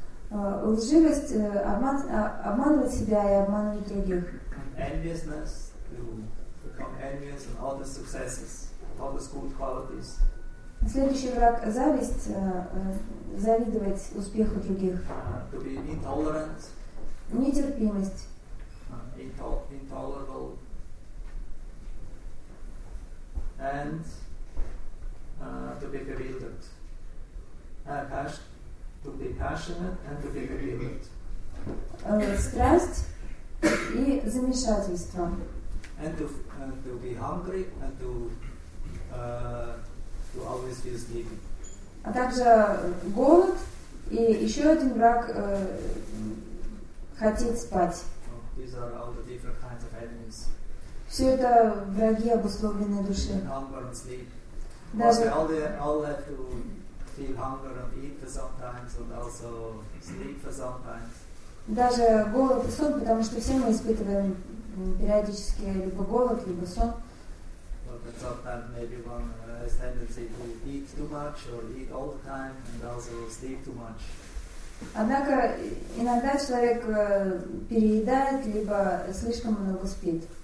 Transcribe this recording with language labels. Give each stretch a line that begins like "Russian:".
Russian: Лживость обманывать себя и обманывать других.
English: Enviousness, to become envious of others' successes, others' good qualities.
Russian: Следующий враг – зависть, завидовать успеху других.
English: To be intolerant.
Russian: Нетерпимость.
English: Intolerable. And to be bewildered. To be passionate and to be bewildered.
Russian: Страсть и замешательство.
English: And to be hungry and to always feel sleepy.
Russian: А также голод и еще один враг хотеть спать.
English: These are all the different kinds of enemies.
Russian: Все это враги обусловленной души.
English: And hunger and sleep.
Russian: Даже
English: all have to feel hunger and eat for some time, and also sleep for some time.
Russian: Даже голод и сон, потому что все мы испытываем периодически либо голод, либо сон.
English: But sometimes maybe one has tendency to eat too much or eat all the time and also sleep too much.
Russian: Однако иногда человек переедает либо слишком много спит.